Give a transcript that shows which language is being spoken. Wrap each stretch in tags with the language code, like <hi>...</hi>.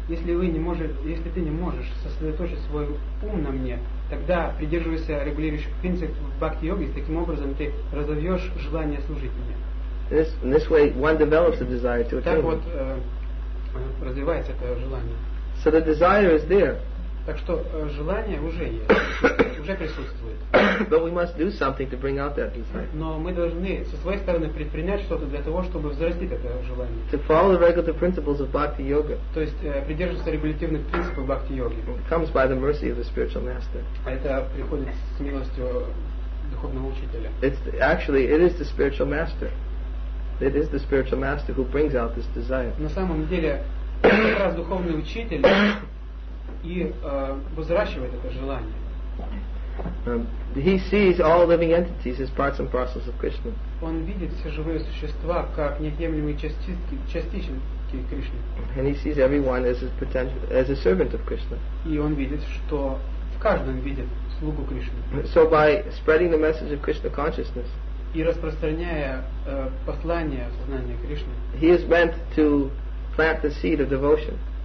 <ru>если ты не можешь сосредоточить свой ум на мне, тогда придерживайся регулирующих принципов бхакти-йоги, и таким образом ты разовьешь желание служить мне.</ru> <en>This way one develops a desire to attain.</en> <ru>Так вот развивается это желание.</ru> <en>So the desire is there.</en> <ru>Так что желание уже есть, уже присутствует.</ru> <en>But we must do something to bring out that desire.</en> <ru>Но мы должны со своей стороны предпринять что-то для того, чтобы взрастить это желание.</ru> <en>To follow the regulative principles of bhakti yoga.</en> <ru>То есть придерживаться регулятивных принципов бхакти йоги.</ru> <en>Comes by the mercy of the spiritual master.</en> <ru>А это приходит с милостью духовного учителя.</ru> <en>It is the spiritual master who brings out this desire.</en> <ru>На самом деле как раз духовный учитель и возращивает это желание.</ru> <en>He sees all living entities as parts and parcels of Krishna.</en> <ru>Он видит все живые существа как неотъемлемые частички Кришны.</ru> <en>And he sees everyone as a servant of Krishna.</en> <ru>И он видит, что в каждом видит слугу Кришны.</ru> <en>So by spreading the message of Krishna consciousness.</en> <ru>И распространяя послание сознания Кришны.</ru> <en>He is meant to plant the seed of devotion.</en>